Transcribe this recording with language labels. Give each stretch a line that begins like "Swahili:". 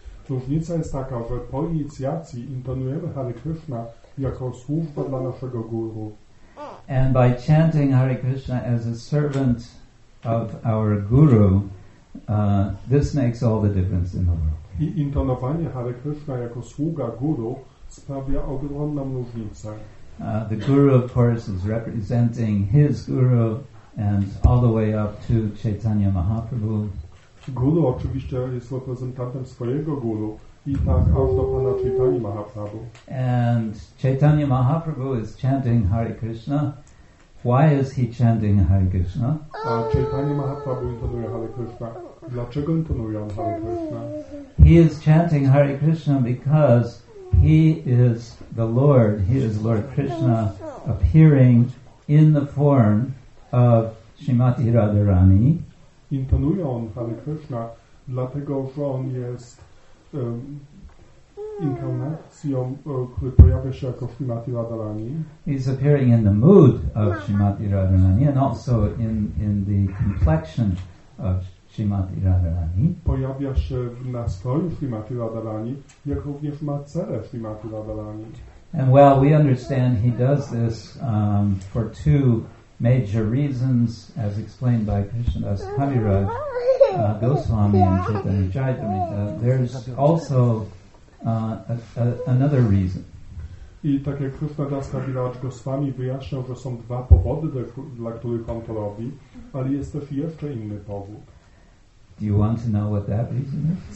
Polish: Różnica jest taka, że po inicjacji intonujemy Hare Krishna jako służba dla naszego guru.
English: And by chanting Hare Krishna as a servant of our guru, this makes all the difference in the world.
Polish: I intonowanie Hare Krishna jako sługa guru sprawia ogromną różnicę.
English: The guru, of course, is representing his guru and all the way up to Chaitanya Mahaprabhu.
Polish: Guru oczywiście jest reprezentantem swojego guru i tak aż do pana Chaitanya Mahaprabhu.
English: And Chaitanya Mahaprabhu is chanting Hare Krishna. Why is he chanting Hare Krishna?
Polish: A Chaitanya Mahaprabhu intonuje Hare Krishna. Dlaczego intonuje on Hare Krishna?
English: He is chanting Hare Krishna because he is the Lord. He is Lord Krishna appearing in the form of Srimati Radharani.
Polish: Intonuje on Hare Krishna dlatego, że on jest inkarnacją, która pojawia się jako Srimati Radharani.
English: He's appearing in the mood of Srimati Radharani and also in the complexion of Srimati Radharani.
Polish: Pojawia się w nastroju Srimati Radharani, jak również ma cele Srimati Radharani.
English: And well, we understand he does this for two major reasons, as explained by Krishnadas Kaviraj Goswami and Chaitanya Charitamrita. There's also another reason.
Polish: I tak jak Krishnadas Kaviraj Goswami wyjaśniał, że są dwa powody, dla których on to robi, ale jest też jeszcze inny powód.
English: Do you want to know what that reason is?